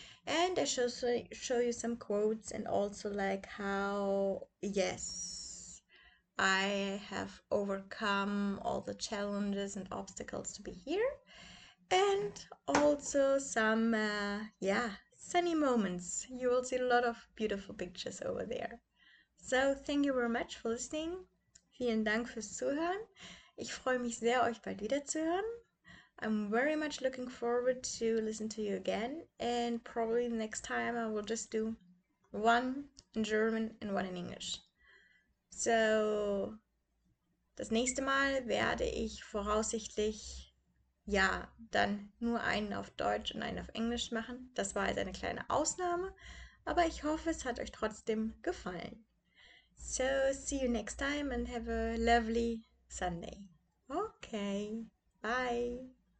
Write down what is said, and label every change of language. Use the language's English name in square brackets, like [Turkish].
[English] And I show you some quotes and also like how, yes, I have overcome all the challenges and obstacles to be here. And also some, yeah, sunny moments. You will see a lot of beautiful pictures over there. So thank you very much for listening. [German] Vielen Dank fürs Zuhören. Ich freue mich sehr, euch bald wieder zu hören. [English] I'm very much looking forward to listen to you again, and probably next time I will just do one in German and one in English. [German] So, das nächste Mal werde ich voraussichtlich, ja, dann nur einen auf Deutsch und einen auf Englisch machen. Das war jetzt eine kleine Ausnahme, aber ich hoffe, es hat euch trotzdem gefallen. [English] So, see you next time and have a lovely Sunday. Okay, bye.